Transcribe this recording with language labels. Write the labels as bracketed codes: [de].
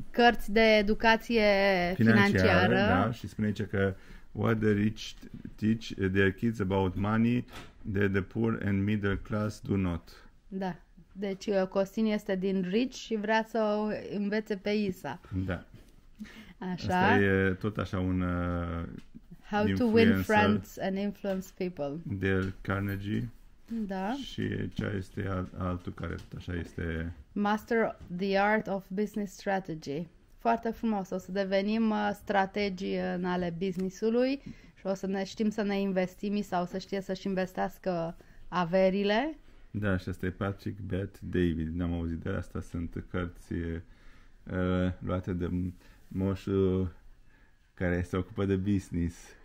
[ro] Cărți de educație financiară. Da, și spune aici că [en] what the rich teach their kids about money that the poor and middle class do not. [ro] Da, deci Costin este din rich și vrea să o învețe pe Isa. Da. Așa. Asta e tot așa un [en] how to win friends and influence people. Del Carnegie. [ro] Da. Și ce este altul care tot așa este... [en] Master the Art of Business Strategy. [ro] Foarte frumos. O să devenim strategii în ale business-ului și o să ne știm să ne investim sau să știe să-și investească averile. Da, și asta e Patrick Bet David. N-am auzit de asta. Sunt cărți luate de moșul care se ocupă de business.